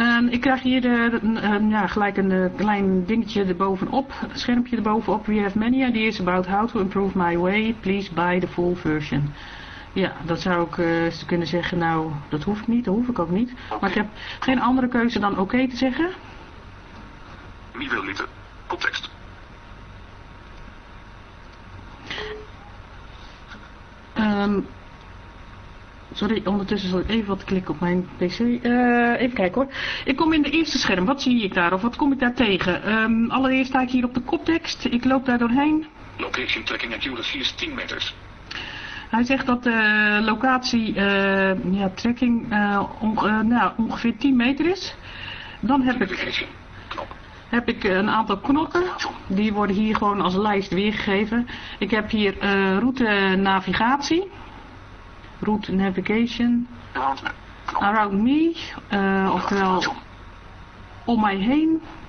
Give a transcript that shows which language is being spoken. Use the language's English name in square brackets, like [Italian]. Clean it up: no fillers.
[Dutch] Ik krijg hier gelijk een klein dingetje erbovenop. Een schermpje erbovenop. [English] We have many ideas about how to improve my way. Please buy the full version. [Dutch] Ja, dat zou ik kunnen zeggen. Nou, dat hoef ik niet. Dat hoef ik ook niet. Okay. Maar ik heb geen andere keuze dan oké te zeggen. Niet wil Sorry, ondertussen zal ik even wat klikken op mijn pc. Even kijken hoor. Ik kom in de eerste scherm. Wat zie ik daar? Of wat kom ik daar tegen? Allereerst sta ik hier op de koptekst. Ik loop daar doorheen. [English] Location tracking accuracy is 10 meters. [Dutch] Hij zegt dat de locatie tracking ongeveer 10 meter is. Dan heb ik... Heb ik een aantal knoppen, die worden hier gewoon als lijst weergegeven. Ik heb hier route navigatie, route navigation, around me, oftewel om mij heen.